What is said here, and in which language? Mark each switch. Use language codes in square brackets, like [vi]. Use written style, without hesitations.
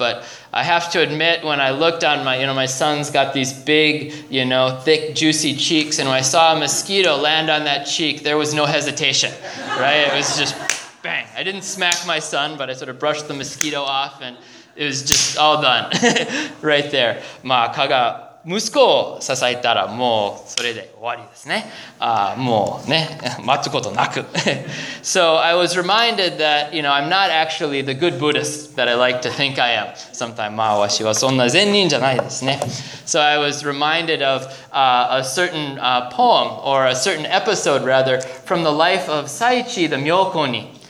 [en] But I have to admit, when I looked on my son's got these big, you know, thick, juicy cheeks, and when I saw a mosquito land on that cheek, there was no hesitation, right? It was just bang. I didn't smack my son, but I sort of brushed the mosquito off, and it was just all done right there. [ja] まあ、蚊が息子を支えたらもうそれで終わりですね。もうね、待つことなく。 [en] So I was reminded that, you know, I'm not actually the good Buddhist that I like to think I am. Sometimes, [ja] まあわしはそんな善人じゃないですね。 [en] So I was reminded of a certain poem, or a certain episode rather, from the life of Saichi the Myokoni.